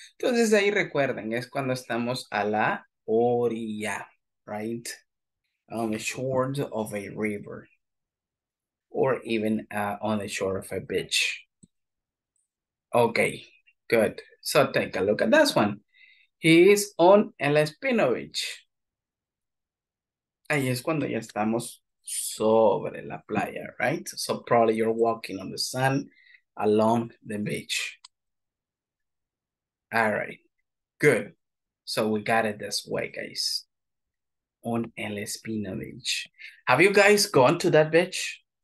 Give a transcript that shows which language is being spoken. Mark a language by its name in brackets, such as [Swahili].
[Spanish] Entonces ahí recuerden, es cuando estamos a la orilla, right? [English] On the shore of a river. Or even on the shore of a beach. Okay, good. So take a look at this one. He is on El Espino Beach. [Spanish] Ahí es cuando ya estamos sobre la playa, right? [English] So probably you're walking on the sand along the beach. All right, good. So we got it this way, guys. On El Espino Beach. Have you guys gone to that beach?